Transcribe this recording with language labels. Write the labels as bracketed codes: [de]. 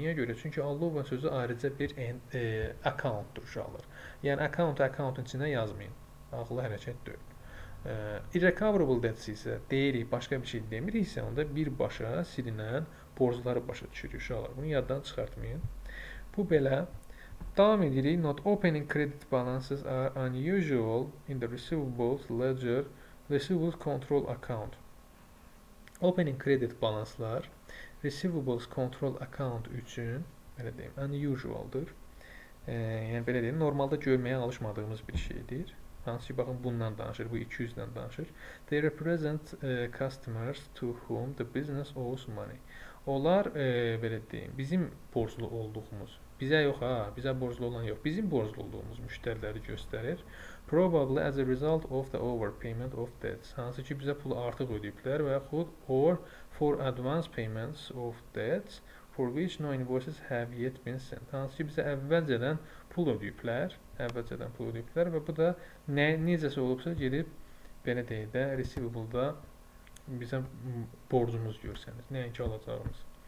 [az] Niyə görə? Çünki allowance sözü ayrıca bir account-dur uşaqlar. Yəni account-u account-un içində yazmayın. Ağlı hərəkət deyil. Irrecoverable debts isə deyirik, başqa bir şey demirik isə onda birbaşa silinən borcları başa düşürük uşaqlar. Bunu yaddan çıxartmayın. Bu belə. Davam edirik. [en] Not opening credit balances are unusual in the receivables ledger receivables control account. [az] Opening credit balanslar receivables control account üçün belə deyim, unusual-dır. Yəni belə deyim, normalda görməyə alışmadığımız bir şeydir. Hansı ki, baxın, bundan danışır, bu 200-dən danışır. [en] They represent customers to whom the business owes money. [az] Onlar, belə deyim, bizim borclu olduğumuz, bizə yox ha, bizə borclu olan yox, bizim borclu olduğumuz müştəriləri göstərir. [en] Probably as a result of the overpayment of debts. [az] Hansı ki, bizə pulu artıq ödəyiblər və yaxud [en] or for advance payments of debts for which no invoices have yet been sent. [az] Hansı ki, bizə əvvəlcədən pul ödəyiblər. Əvvəlcədən pul ödəyiblər və bu da necəsi olubsa gedib belə deyək də receivable-da bizə borcumuz görsəniz. Nəinki alacağımız.